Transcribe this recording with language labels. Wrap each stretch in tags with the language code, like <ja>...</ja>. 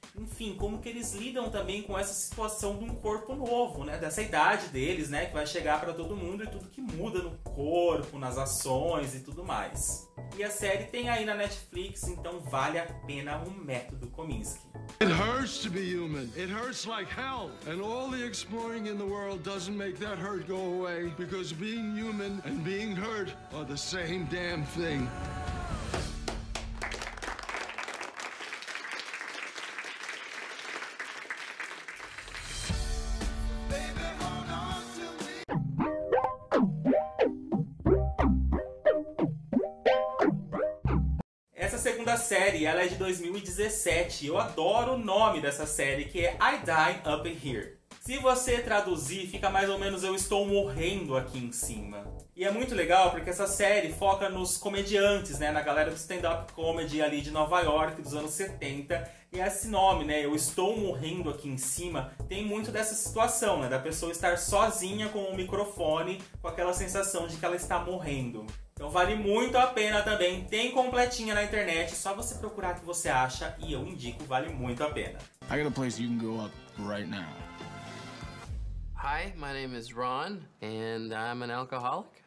<pt>Enfim, como que eles lidam também com essa situação de um corpo novo, né? Dessa idade deles, né? Que vai chegar pra todo mundo e tudo que muda no corpo, nas ações e tudo mais. E a série tem aí na Netflix, então vale a pena o Método Kominsky.</pt> <en>It hurts to be human. It hurts like hell. And all the exploring in the world doesn't make that hurt go away. Because being human and being hurt are the same damn thing.</en> <pt>Série, ela é de 2017, eu adoro o nome dessa série, que é I Die Up Here. Se você traduzir, fica mais ou menos eu estou morrendo aqui em cima. E é muito legal porque essa série foca nos comediantes, né, na galera do stand-up comedy ali de Nova York dos anos 70. E esse nome, né, eu estou morrendo aqui em cima, tem muito dessa situação, né, da pessoa estar sozinha com o microfone, com aquela sensação de que ela está morrendo. Então vale muito a pena também, tem completinha na internet, só você procurar o que você acha e eu indico, vale muito a pena.</pt> <en>I got a place you can go up right now. Hi, my name is Ron and I'm an alcoholic.</en>